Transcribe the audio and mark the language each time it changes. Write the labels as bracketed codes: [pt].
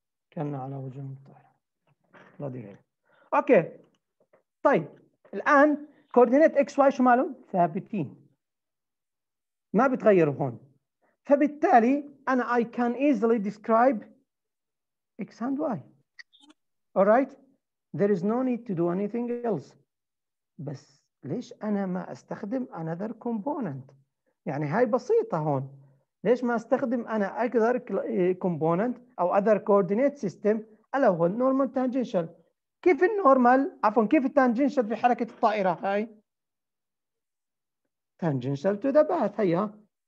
[ar] كان على وجه المطار لديهم اوكي طيب الآن كوردينات x و y شو مالهم؟ ثابتين ما بتغيروا هون فبالتالي أنا [en] I can easily describe X and Y. All right? There is no need to do anything else. [ar] بس ليش أنا ما أستخدم [en] another component؟ [ar] يعني هاي بسيطة هون. ليش ما أستخدم أنا أكثر component أو [en] other coordinate system؟ [ar] ألا هو normal tangential. كيف النورمال؟ عفوا كيف التانجنشال في حركة الطائرة هاي؟ [en] tangential to the path [ar] هيا.